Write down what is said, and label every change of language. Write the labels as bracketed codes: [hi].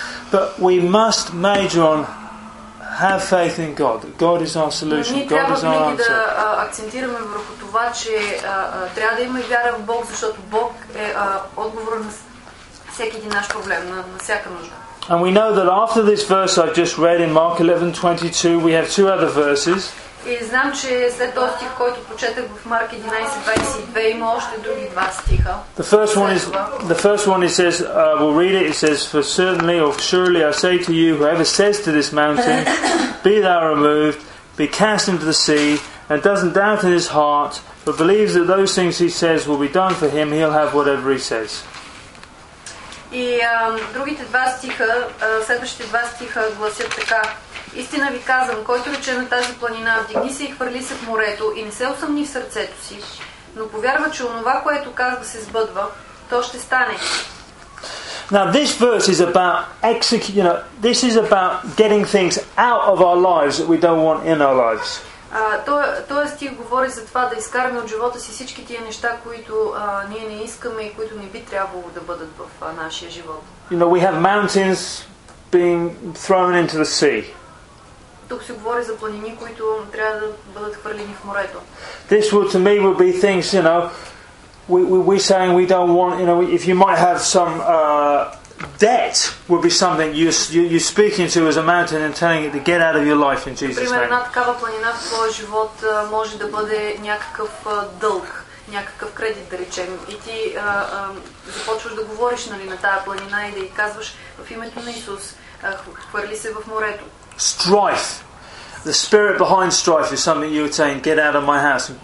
[en] But we must major on have faith in God. God is our solution. God is our answer. [bg] Ние трябва да акцентираме върху това, че трябва да има вяра в Бог, защото Бог е отговор на всеки един наш проблем, на всяка нужда. [en] And we know that after this verse I've just read in Mark 11:22, we have two other verses. [bg] И знам, че след този стих, който прочетах в Марк 11:22, има още други два стиха. [en] The first one says, we'll read it. It says, for certainly or surely I say to you, whoever says to this mountain, be thou removed, be cast into the sea, and doesn't doubt in his heart, but believes that those things he says will be done for him, he'll have whatever he says. [bg] И другите два стиха, следващите два стиха гласят така. Истина ви казвам, който рече на тази планина, вдигни се и хвърли се в морето и не се усъмни в сърцето си, но повярва, че онова, което казва, се сбъдва, то ще стане. [en] Now this verse is about this is about getting things out of our lives that we don't want in our lives. [bg] Той стих говори за това да изкараме от живота си всички тия неща, които ние не искаме и които не би трябвало да бъдат в нашия живот. [en] You know, we have mountains being thrown into the sea. [bg] Тук се говори за планини, които трябва да бъдат хвърлени в морето. [en] This would to me would be things, you know, we saying we don't want, you know, if you might have some debt would be something you're speaking to as a mountain and telling it to get out of your life in Jesus' name. [bg] Примерно, такава планина в твоя живот може да бъде някакъв дълг, някакъв кредит, да речем. И ти започваш да говориш, нали, на тая планина и да й казваш в името на Исус, хвърли се в морето. [en] Strife. The spirit behind strife is something you're saying, get out of my house.